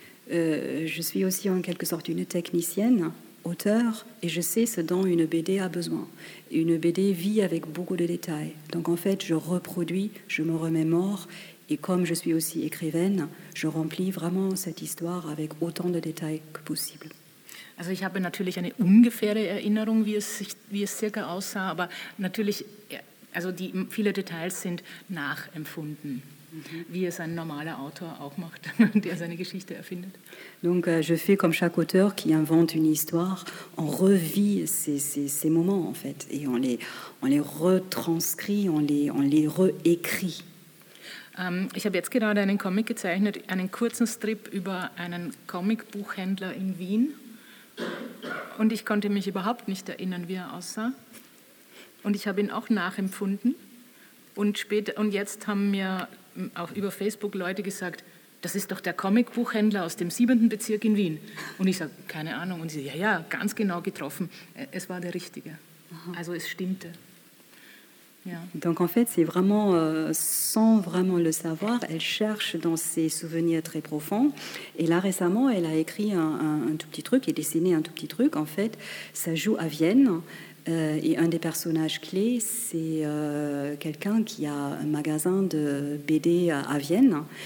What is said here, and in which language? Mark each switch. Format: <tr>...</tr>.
<fr>Je suis aussi en quelque sorte une technicienne, auteur, et je sais ce dont une BD a besoin. Une BD vit avec beaucoup de détails. Donc en fait, je reproduis, je me remémore, et comme je suis aussi écrivaine, je remplis vraiment cette histoire avec autant de détails que possible.</fr> <de>Also ich habe natürlich eine ungefähre Erinnerung, wie es circa aussah, aber natürlich, also die viele Details sind nachempfunden. Wie es ein normaler Autor auch macht, der seine Geschichte erfindet.</de> <fr>Donc je fais comme chaque auteur qui invente une histoire, on revit ces moments en fait et on les retranscrit, on les réécrit.</fr> <de>Ich habe jetzt gerade einen Comic gezeichnet, einen kurzen Strip über einen Comicbuchhändler in Wien und ich konnte mich überhaupt nicht erinnern, wie er aussah und ich habe ihn auch nachempfunden und später und jetzt haben wir auch über Facebook Leute gesagt, das ist doch der Comicbuchhändler aus dem 7. Bezirk in Wien. Und ich sage, keine Ahnung. Und sie, ja, ja, ganz genau getroffen. Es war der Richtige. Aha. Also es stimmte. Ja.</de> <fr>Donc en fait, c'est vraiment, sans vraiment le savoir, elle cherche dans ses souvenirs très profonds. Et là, récemment, elle a écrit un tout petit truc, et dessiné un tout petit truc. En fait, ça joue à Vienne. Et un des personnages clés, c'est quelqu'un qui a un magasin de BD à Vienne.</fr>